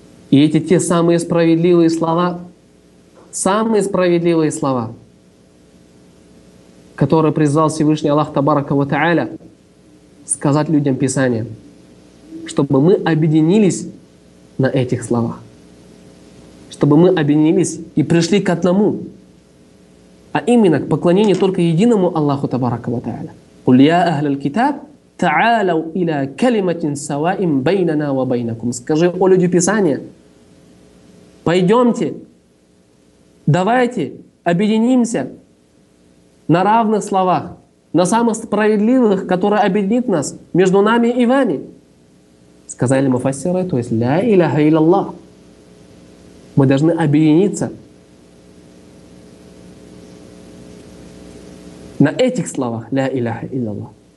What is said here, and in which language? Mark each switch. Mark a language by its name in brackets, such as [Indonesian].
[Russian] И эти те самые справедливые слова, самые справедливые слова, которые призвал Всевышний Аллах Табарака ва Тааля сказать людям Писания, чтобы мы объединились на этих словах, чтобы мы объединились и пришли к одному, а именно к поклонению только единому Аллаху Табарака ва Тааля. [Arabic] قل يا أهل الكتاب تعالوا إلى كلمة سواء بيننا وبينكم. [Russian] Скажи о людях Писания. Пойдемте, давайте объединимся на равных словах, на самых справедливых, которые объединят нас между нами и вами. Сказали муфассиры, то есть ля иляха илляллах. Мы должны объединиться на этих словах «Ля иляха илляллах».